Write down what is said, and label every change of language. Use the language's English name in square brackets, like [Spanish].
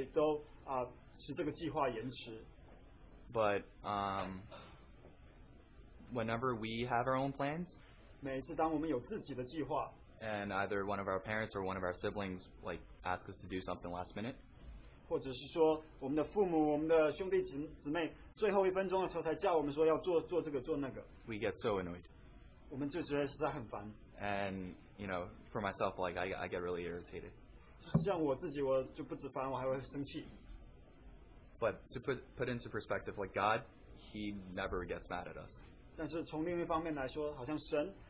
[Chinese] 我们每一次违背神，我们每一次犯罪，都使这个计划延迟。 [English] But whenever we have our own plans. [Chinese] 每次当我们有自己的计划, [English] and either one of our parents or one of our siblings like ask us to do something last minute. [Chinese] 或者是说我们的父母，我们的兄弟姊妹，最后一分钟的时候才叫我们说要做这个做那个。 [English] We get so annoyed. [Chinese] 我们就觉得实在很烦。 [English] And you know, for myself, like I get really irritated. [Chinese] 像我自己，我就不止烦，我还会生气。 [English] But to put into perspective, like God, He never gets mad at us. [Chinese] 但是从另一方面来说，好像神。